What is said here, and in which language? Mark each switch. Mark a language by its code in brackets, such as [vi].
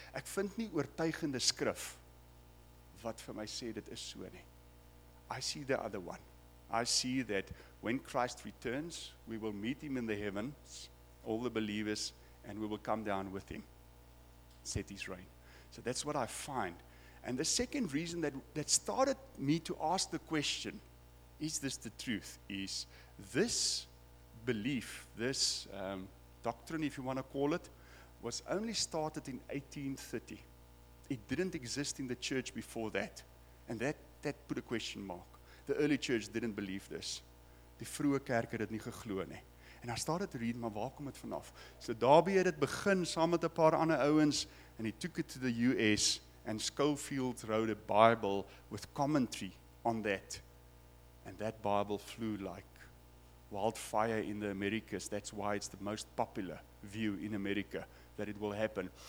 [af] Ek vind nie oortuigende skrif wat vir my sê dit is so nie. [en] I see the other one. I see that when Christ returns, we will meet him in the heavens, all the believers, and we will come down with him, set his reign. So that's what I find. And the second reason that started me to ask the question, is this the truth, is this belief, this doctrine, if you want to call it, was only started in 1830. It didn't exist in the church before that. And that put a question mark. The early church didn't believe this. [af] Die vroeë kerk het dit nie geglo nie. En daar staan dit read, maar waar kom dit vanaf? [en] So Darby [af] het dit begin saam met 'n paar ander ouens, [en] and he took it to the US, and Schofield wrote a Bible with commentary on that. And that Bible flew like wildfire in the Americas. That's why it's the most popular view in America, that it will happen.